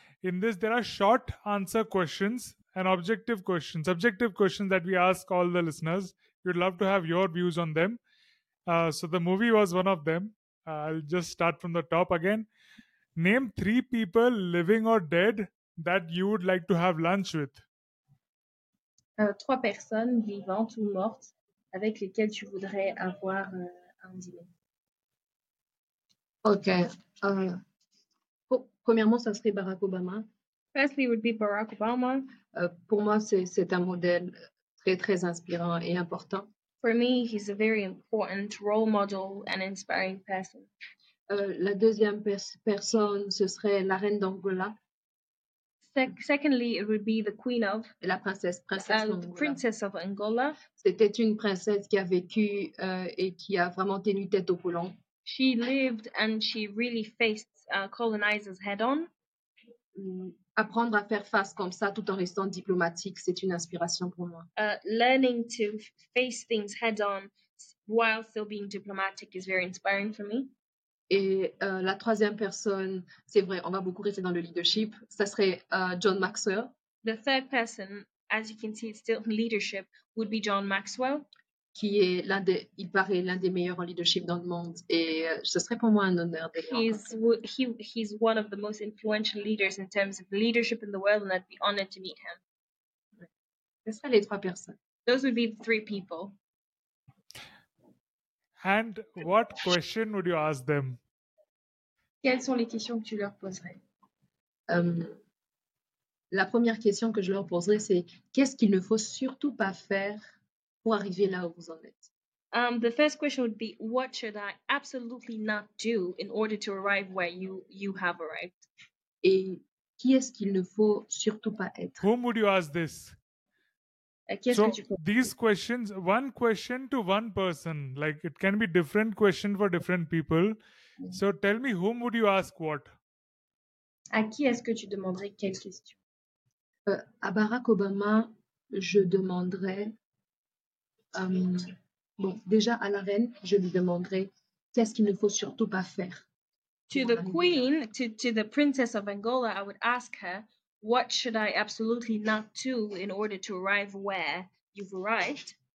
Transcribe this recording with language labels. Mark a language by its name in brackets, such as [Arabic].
[English] In this, there are short answer questions and objective questions. Objective questions that we ask all the listeners. We'd love to have your views on them. So the movie was one of them. I'll just start from the top again. Name three people, living or dead, that you would like to have lunch with. [French] Trois personnes vivantes ou mortes avec lesquelles tu voudrais avoir un dîner. Okay. Premièrement, ça serait Barack Obama. [English] Firstly, it would be Barack Obama. [French] Pour moi, c'est un modèle très, très inspirant et important. [English] For me, he's a very important role model and inspiring person. [French] La deuxième personne, ce serait la reine d'Angola. [English] Secondly, it would be the queen of... [French] La princesse d'Angola. [English] The princess of Angola. [French] C'était une princesse qui a vécu et qui a vraiment tenu tête au colon. [English] She lived and she really faced colonizers head on. [French] Apprendre à faire face comme ça tout en restant diplomatique, c'est une inspiration pour moi. [English] Learning to face things head on while still being diplomatic is very inspiring for me. [French] Et la troisième personne, c'est vrai, on va beaucoup rester dans le leadership, ça serait John Maxwell. [English] The third person, as you can see, still in leadership, would be John Maxwell. [French] Qui est, il paraît, l'un des meilleurs en leadership dans le monde. Et ce serait pour moi un honneur de [English] He's one of the most influential leaders in terms of leadership in the world, and I'd be honored to meet him. [French] Ce seraient les trois personnes. [English] Those would be the three people. And what question would you ask them? [French] Quelles sont les questions que tu leur poserais? La première question que je leur poserais, c'est qu'est-ce qu'il ne faut surtout pas faire pour arriver là où vous en êtes? [English] The first question would be, what should I absolutely not do in order to arrive where you have arrived? [French] Et qui est-ce qu'il ne faut surtout pas être? [English] Whom would you ask this? So these questions, one question to one person, like it can be different question for different people. So tell me, whom would you ask what? [French] À qui est-ce que tu demanderais quelle question? À Barack Obama, je demanderais, déjà à la reine, je lui demanderais qu'est-ce qu'il ne faut surtout pas faire. [English] To the queen, to the princess of Angola, I would ask her, what should I absolutely not do in order to arrive where you've arrived?